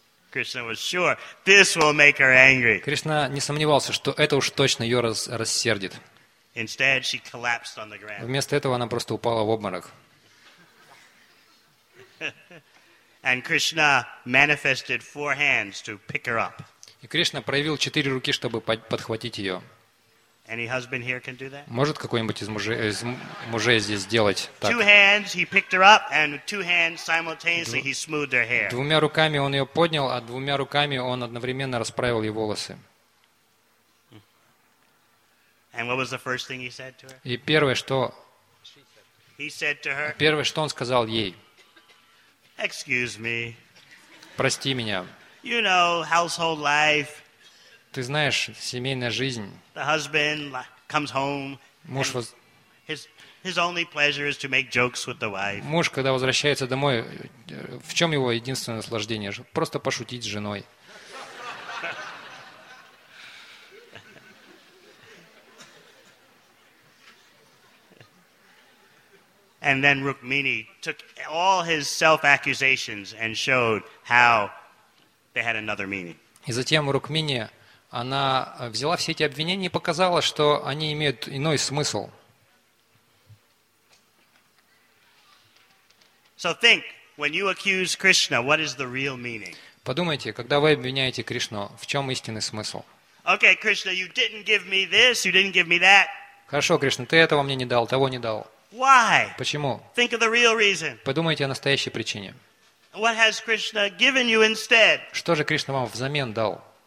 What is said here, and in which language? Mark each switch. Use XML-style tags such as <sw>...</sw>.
<en>Krishna was sure this will make her angry.</en> <ru>Кришна не сомневался, что это уж точно ее рассердит.</ru> <en>Instead, she collapsed on the ground.</en> <ru>Вместо этого она просто упала в обморок.</ru> <en>And Krishna manifested four hands to pick her up.</en> <ru>И Кришна проявил четыре руки, чтобы подхватить ее.</ru> <en>Any husband here can do that?</en> <ru>Может какой-нибудь из мужей здесь сделать так?</ru> <en>Two hands, he picked her up, and two hands simultaneously he smoothed her hair.</en> <ru>Двумя руками он ее поднял, а двумя руками он одновременно расправил ее волосы.</ru> <en>And what was the first thing he said to her?</en> <ru>И первое, что...</ru> <en>He said to her...</en> <ru>Первое, что он сказал ей.</ru> <en>Excuse me.</en> <ru>Прости меня.</ru> <en>You know, household life.</en> <ru>Ты знаешь, семейная жизнь.</ru> <en>The husband comes home.</en> <ru>Муж</ru> <en>His only pleasure is to make jokes with the wife.</en> <ru>Муж, когда возвращается домой, в чем его единственное наслаждение? Просто пошутить с женой.</ru> <en>And then Rukmini took all his self-accusations and showed how they had another meaning.</en> <ru>И затем Рукмини, она взяла все эти обвинения и показала, что они имеют иной смысл.</ru> <en>So think, when you accuse Krishna, what is the real meaning?</en> <ru>Подумайте, когда вы обвиняете Кришну, в чем истинный смысл?</ru> <en>Okay, Krishna, you didn't give me this, you didn't give me that.</en> <ru>Хорошо, Кришна, ты этого мне не дал, того не дал.</ru> <en>Why?</en> <ru>Почему?</ru> <en>Think of the real reason.</en> <ru>Подумайте о настоящей причине.</ru> <en>What has Krishna given you instead?</en> <ru>Что же Кришна вам взамен дал?</ru>